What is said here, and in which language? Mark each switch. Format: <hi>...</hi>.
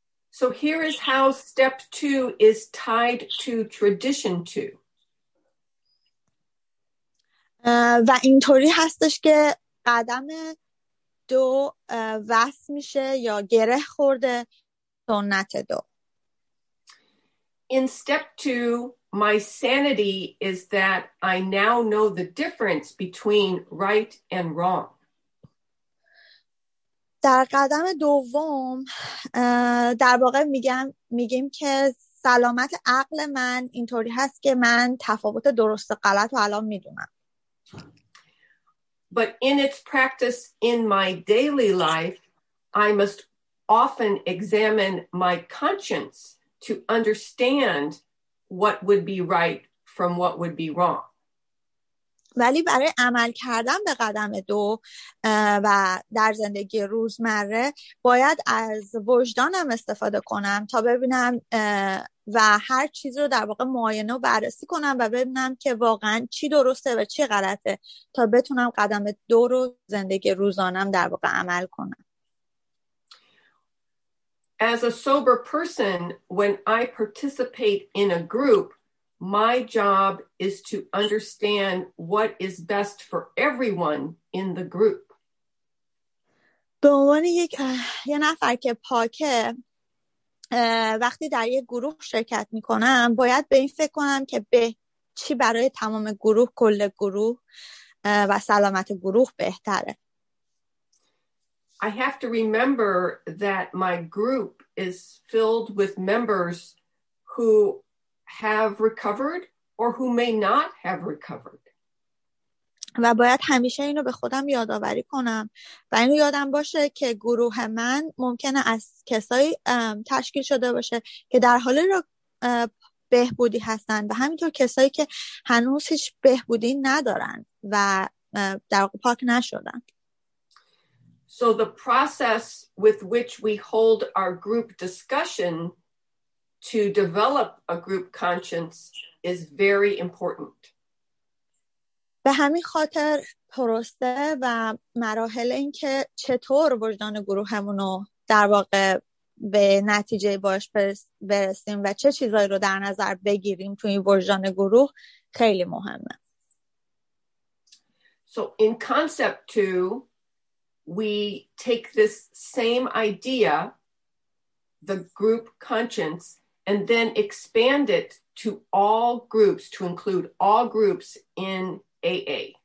<en>So here is how step 2 is tied to tradition 2.</en> <fa>و اینطوری هستش که قدم دو وصل میشه یا گره خورده سنت دو.</fa> <en>In step 2, my sanity is that I now know the difference between right and wrong.</en> <fa>در قدم دوم در واقع میگیم که سلامت عقل من اینطوری هست که من تفاوت درست و غلط رو الان میدونم.</fa> <en>But in its practice in my daily life, I must often examine my conscience to understand what would be right from what would be wrong.</en> <fa>ولی برای عمل کردن به قدم دو و در زندگی روزمره باید از وجدانم استفاده کنم تا ببینم و هر چیز رو در واقع معاینه و بررسی کنم و ببینم که واقعا چی درسته و چی غلطه تا بتونم قدم دو رو زندگی روزانم در واقع عمل کنم.</fa> <en>As a sober person, when I participate in a group, my job is to understand what is best for everyone in the group.</en> <fa>به عنوان یه نفر که پاکه وقتی در یه گروه شرکت میکنم باید به این فکر کنم که به چی برای تمام گروه، کل گروه و سلامت گروه بهتره.</fa> <en>I have to remember that my group is filled with members who have recovered or who may not have recovered.</en> <fa>و باید همیشه اینو به خودم یادآوری کنم و اینو یادم باشه که گروه من ممکنه از کسایی تشکیل شده باشه که در حال بهبودی هستن و همینطور کسایی که هنوز هیچ بهبودی ندارن و در واقع پاک نشدن.</fa> <en>So the process with which we hold our group discussion to develop a group conscience is very important.</en> <fa>به همین خاطر پروسه و مراحل این که چطور وجدان گروهمون رو در واقع به نتیجه باش برسیم و چه چیزایی رو در نظر بگیریم توی این وجدان گروه خیلی مهمه.</fa> <en>So in concept 2 we take this same idea, the group conscience, and then expand it to all groups, to include all groups in AA.</en>